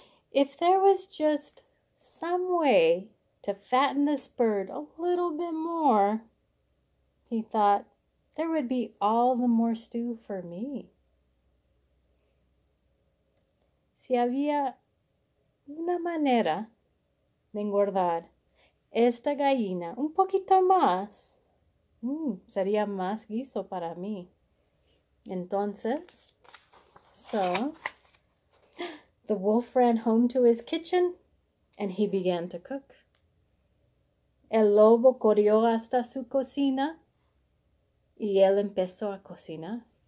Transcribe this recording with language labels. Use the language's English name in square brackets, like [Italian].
[English] If there was just some way to fatten this bird a little bit more, he thought, there would be all the more stew for me. [Spanish] Si había una manera de engordar esta gallina un poquito más, sería más guiso para mí. Entonces, [English] so, the wolf ran home to his kitchen and he began to cook. [Spanish] El lobo corrió hasta su cocina y él empezó a cocinar.